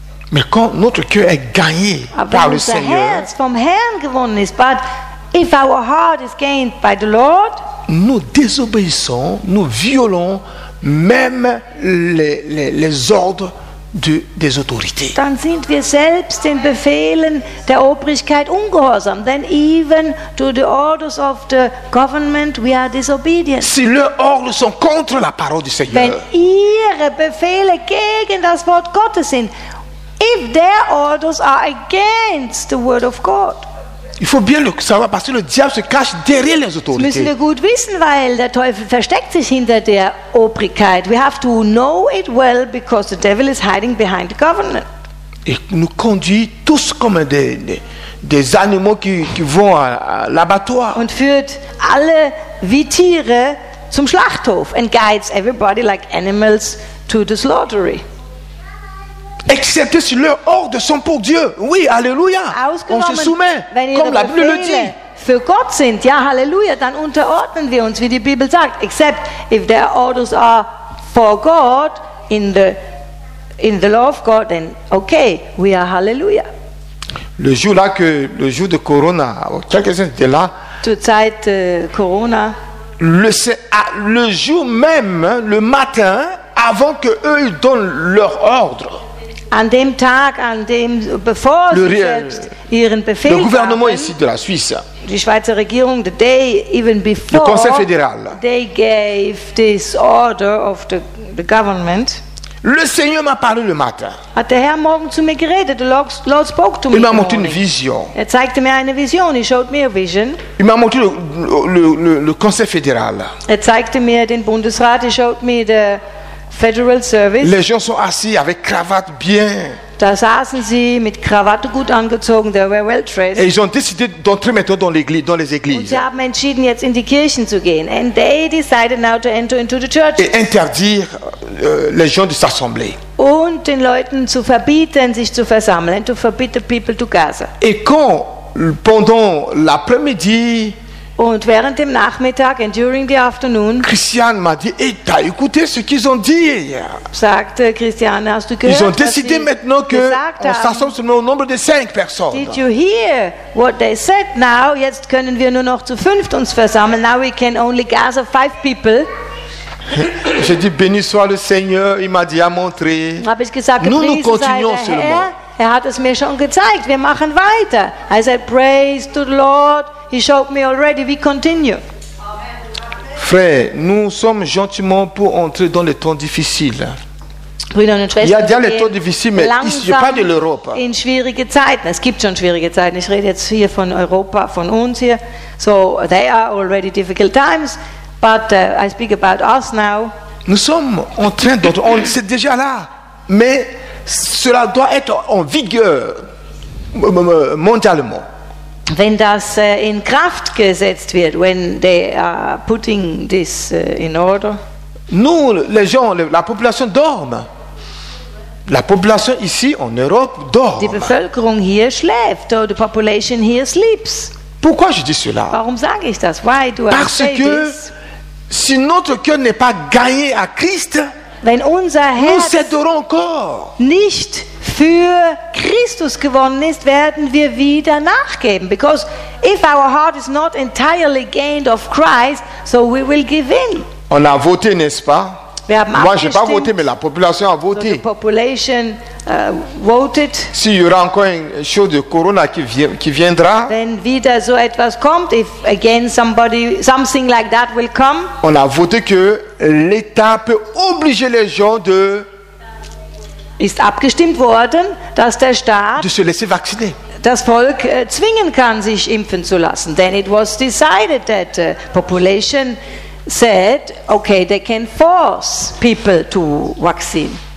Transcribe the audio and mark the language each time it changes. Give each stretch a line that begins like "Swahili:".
French: Mais quand notre cœur est gagné par le Seigneur,
German: vom Herrn gewonnen ist,
English: but if our heart is gained by the Lord,
French: nous désobéissons, nous violons même les ordres des autorités.
German: Dann sind wir selbst den Befehlen der Obrigkeit ungehorsam.
English: Then even to the orders of the government we are disobedient.
French: Si leurs ordres sont contre la parole du Seigneur,
German: wenn ihre Befehle gegen das Wort Gottes sind,
English: if their orders are against the word of God.
French: Il faut bien le savoir parce que le diable se cache derrière les autorités.
German: Müssen wir gut wissen, weil der Teufel versteckt sich hinter der Obrigkeit.
English: We have to know it well because the devil is hiding behind the government.
French: Il nous conduit tous comme des animaux qui vont à l'abattoir.
German: Und führt alle wie Tiere zum Schlachthof
English: and guides everybody like animals to the slaughtery.
French: Excepté si leurs ordres sont pour Dieu. Oui, alléluia. On se soumet, comme la Bible le dit.
German: Für Gott sind, ja, halleluja, dann unterordnen wir uns, wie die Bibel sagt.
English: Except if their orders are for God, in the law of God, then okay, we are halleluja.
French: Le jour là que le jour de Corona, quelqu'un était là.
German: Zur Zeit Corona.
French: Le jour même, le matin, avant que eux ils donnent leur ordre.
German: An dem Tag, an dem bevor sie selbst ihren Befehl
French: le gouvernement ici de la Suisse,
German: die Schweizer Regierung,
English: the day even before,
French: le Conseil fédéral,
English: they gave this order of the government.
French: Le Seigneur m'a parlé le matin.
German: Hat der Herr morgen zu mir geredet?
English: The Lord spoke to me.
French: Il m'a montré une vision.
German: Er zeigte mir eine Vision.
English: He showed me a vision.
French: Il m'a montré le Conseil fédéral.
German: Er zeigte mir den Bundesrat.
English: He showed me the Federal Service.
French: Les gens sont assis avec cravate bien.
German: Da saßen sie mit Krawatte gut angezogen.
English: They were well dressed.
French: Et ils ont décidé d'entrer maintenant dans les églises.
German: Und sie haben entschieden jetzt in die Kirchen zu gehen.
English: And they decided now to enter into the churches.
French: Et interdire les gens de s'assembler.
German: Und den Leuten zu verbieten, sich zu versammeln.
English: To forbid the people to gather.
French: Et quand pendant l'après-midi.
German: Und während dem Nachmittag,
English: and during the afternoon,
French: Christiane m'a dit, hey, t'as écouté ce qu'ils ont dit hier.
German: Sagte Christiane, hast du gehört,
French: ils ont décidé maintenant qu'on s'assemble seulement au nombre de 5 personnes.
English: Did you hear what they said now?
German: Jetzt können wir nur noch zu fünft uns versammeln.
English: Now we can only gather 5 people.
French: J'ai dit, béni soit le Seigneur, il m'a dit à montrer.
German: Habe ich gesagt,
French: nous continuons seulement.
German: Er hat es mir schon gezeigt, wir machen weiter.
English: I said, praise to the Lord. He showed me already. We continue.
French: Frère, nous sommes gentiment pour entrer dans les temps difficiles. Il y a déjà les temps difficiles, mais ici, je parle de l'Europe.
German: In schwierige Zeiten. Es gibt schon schwierige Zeiten. Ich rede jetzt hier von Europa, von uns hier.
English: So, they are already difficult times, but I speak about us now.
French: Nous sommes en train d'entrer. On c'est déjà là, mais cela doit être en vigueur mondialement.
German: Wenn das in Kraft gesetzt wird,
English: when they are putting this in order.
French: Nous, les gens, la population dorme. La population ici en Europe dort.
German: Die Bevölkerung hier schläft.
English: Or the population here sleeps.
French: Pourquoi je dis cela?
German: Warum sage ich das?
English: Why do
French: Parce
English: I say
French: que
English: this?
French: Si notre cœur n'est pas gagné à Christ,
German: wenn unser Herz
French: nous céderons encore.
German: Nicht für Christus gewonnen ist, werden wir wieder nachgeben.
English: Because if our heart is not entirely gained of Christ, so we will give in.
French: On a voté, n'est-ce pas?
German: Wir haben
French: Moi, j'ai pas voté, mais la population a voté.
English: So the population voted.
French: S'il y aura encore une chose de corona qui viendra,
German: wenn wieder so etwas kommt,
English: if again something like that will come,
French: on a voté que l'État peut obliger les gens de
German: ist abgestimmt worden, dass der Staat das Volk zwingen kann, sich impfen zu lassen.
English: Then it was decided that the population said, okay, they can force people to vaccine.